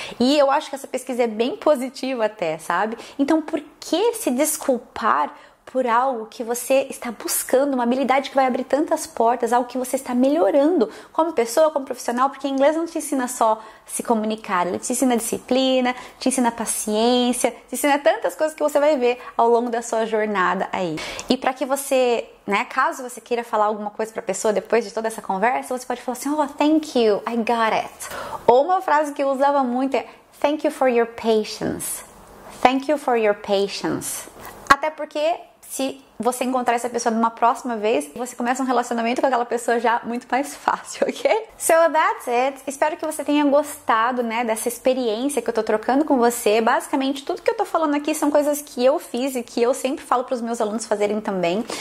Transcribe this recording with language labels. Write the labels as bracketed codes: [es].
[pt] E eu acho que essa pesquisa é bem positiva até, sabe? Então, por que se desculpar por algo que você está buscando, uma habilidade que vai abrir tantas portas, algo que você está melhorando como pessoa, como profissional, porque inglês não te ensina só se comunicar, ele te ensina disciplina, te ensina paciência, te ensina tantas coisas que você vai ver ao longo da sua jornada aí. E para que você, né, caso você queira falar alguma coisa para a pessoa depois de toda essa conversa, você pode falar assim: [en] Oh, thank you, I got it. [pt] Ou uma frase que eu usava muito é: [en] Thank you for your patience. Thank you for your patience. [pt] Até porque, se você encontrar essa pessoa numa próxima vez, você começa um relacionamento com aquela pessoa já muito mais fácil, ok? [en] So that's it. [pt] Espero que você tenha gostado, né, dessa experiência que eu tô trocando com você. Basicamente, tudo que eu tô falando aqui são coisas que eu fiz e que eu sempre falo para os meus alunos fazerem também.